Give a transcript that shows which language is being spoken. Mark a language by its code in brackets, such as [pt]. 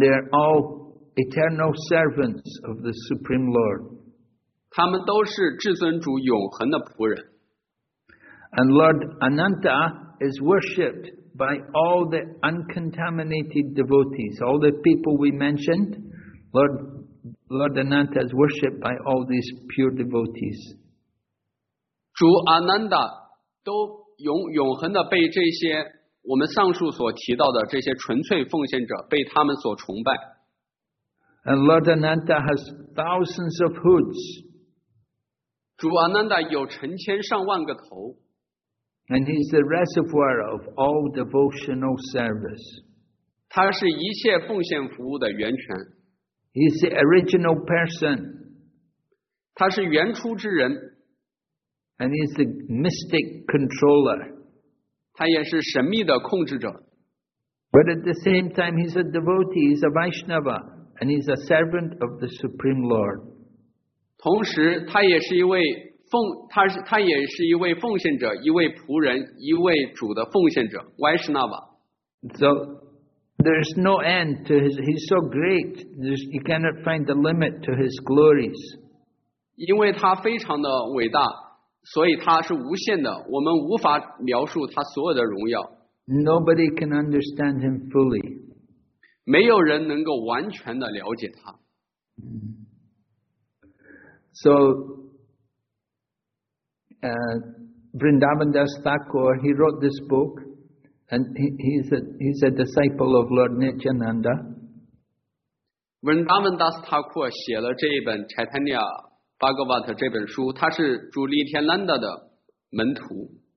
[en] they are all eternal servants of the Supreme Lord. [zh] 他们都是至尊主永恒的仆人。 [en] And Lord Ananta is worshipped by all the uncontaminated devotees. All the people we mentioned, Lord Ananta is worshipped by all these pure devotees. [zh] 主 Ananda 都 永恒地 被 这些我们上述所提到的这些纯粹奉献者被他们所崇拜。 [en] And Lord Ananta has thousands of hoods. [zh] 主 Ananda 有成千上万个头。 [en] And he's the reservoir of all devotional service. [zh] 他是一切奉献服务的源泉。 [en] He's the original person. [zh] 他是原初之人。 [en] And he's the mystic controller. [zh] 他也是神秘的控制者。 [en] But at the same time, he's a devotee, he's a Vaishnava, and he's a servant of the Supreme Lord. [zh] 同时，他也是一位他也是一位奉献者，一位仆人，一位主的奉献者 ，Vaishnava。 [en] So there's no end to his. He's so great. You cannot find the limit to his glories. [zh] 因为他非常的伟大，所以他是无限的。我们无法描述他所有的荣耀。 [en] Nobody can understand him fully. [zh] 没有人能够完全的了解他。 [en] So. Vrindavan Das Thakur, he wrote this book, and he's a disciple of Lord Nityananda. [zh] Vrindavan Das Thakur 写了这一本 Chaitanya Bhagavat 这本书，他是主 Nityananda 的门徒。